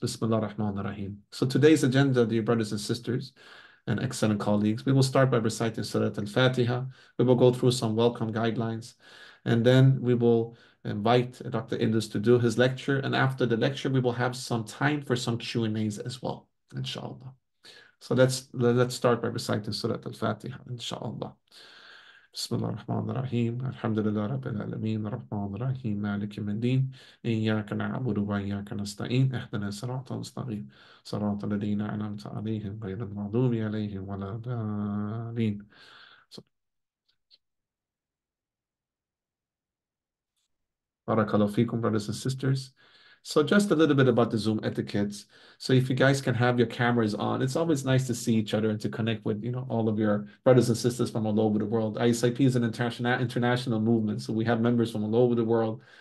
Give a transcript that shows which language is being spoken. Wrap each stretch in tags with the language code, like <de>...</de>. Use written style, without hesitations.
<ar>Bismillah ar-Rahman ar-Rahim.</ar> <en>So today's agenda, dear brothers and sisters and excellent colleagues, we will start by reciting Surat al-Fatiha. We will go through some welcome guidelines, and then we will invite Dr. Ildus to do his lecture. And after the lecture, we will have some time for some Q&As as well, inshallah. So let's start by reciting Surah Al-Fatiha, inshallah.</en> <ar>بسم الله الرحمن الرحيم الحمد لله رب العالمين الرحمن الرحيم مالك يوم الدين إياك نعبد وإياك نستعين اهدنا الصراط المستقيم صراط الذين أنعمت عليهم غير المغضوب عليهم ولا الضالين. بارك الله فيكم</ar> <en>brothers and sisters. So just a little bit about the Zoom etiquette. So if you guys can have your cameras on, it's always nice to see each other and to connect with, you know, all of your brothers and sisters from all over the world. ISIP is an international movement. So we have members from all over the world.</en>